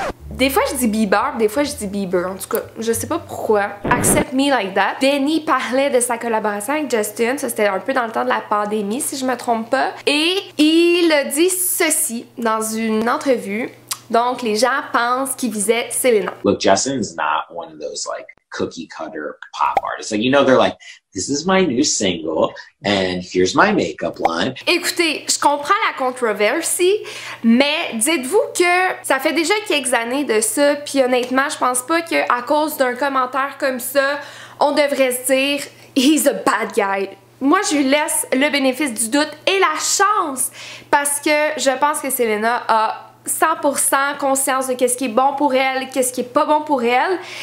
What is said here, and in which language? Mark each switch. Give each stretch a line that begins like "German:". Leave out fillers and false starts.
French: Des fois je dis Bieber, des fois je dis Bieber, en tout cas, je sais pas pourquoi.
English: Accept me like that.
French: Benny parlait de sa collaboration avec Justin, ça c'était un peu dans le temps de la pandémie si je me trompe pas. Et il a dit ceci dans une entrevue, donc les gens pensent qu'il visait Selena.
English: Look, Justin's not one of those like cookie cutter pop artists. Like, you know, they're like, this is my new single and here's my makeup line.
French: Écoutez, je comprends la controversie, mais dites-vous que ça fait déjà quelques années de ça, puis honnêtement, je pense pas que à cause d'un commentaire comme ça, on devrait se dire
English: he's a bad guy.
French: Moi, je lui laisse le bénéfice du doute et la chance parce que je pense que Selena a 100% conscience de qu'est-ce qui est bon pour elle, qu'est-ce qui est pas bon pour elle.